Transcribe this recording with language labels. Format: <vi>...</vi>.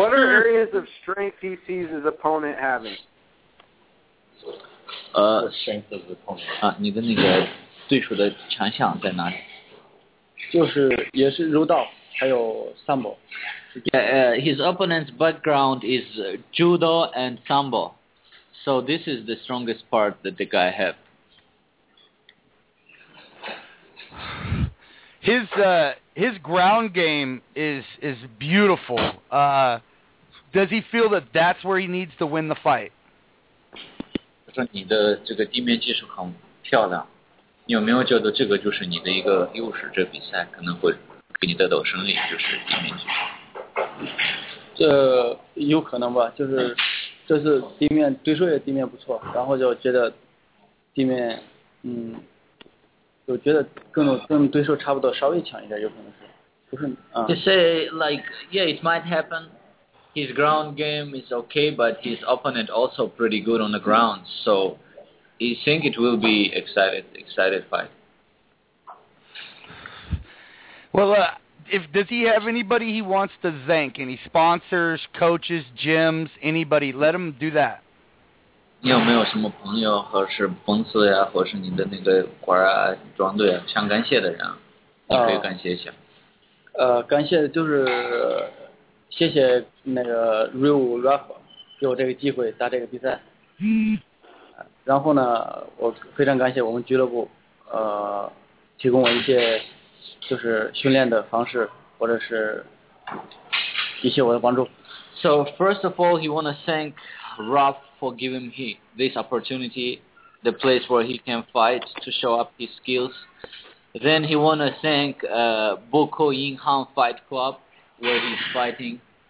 <en>What are areas of strength he sees his opponent having? Strength of the opponent.</en> <zh>你的那个对手的强项在哪里？就是也是柔道。还有 Sambo.</zh> <en>His opponent's background is Judo and Sambo. So this is the strongest part that the guy has. His ground game is beautiful. Does he feel that that's where he needs to win the fight?</en> <zh>他说你的这个地面技术很漂亮，你有没有觉得这个就是你的一个优势？这比赛可能会给你得到胜利，就是地面技术。这有可能吧，就是这次地面对手也地面不错，然后就觉得地面，就觉得跟对手差不多，稍微强一点，有可能是，不是</zh> <en>？He say like yeah, it might happen. His ground game is okay, but his opponent also pretty good on the ground. So he think it will be excited fight. Well, does he have anybody he wants to thank? Any sponsors, coaches, gyms, anybody? Let him do that.</en> <zh>你有没有什么朋友或是公司呀，或是你的那个馆啊、装队啊，想感谢的人，你可以感谢一下。感谢就是谢谢那个 Real Ref 给我这个机会打这个比赛。然后呢，我非常感谢我们俱乐部，提供了一些。就是训练的方式，或者是一些我的帮助。</zh> <en>So first of all, he want to thank Rob for giving him this opportunity, the place where he can fight to show up his skills. Then he want to thank Boko Yinghan Fight Club, where he's fighting.</en>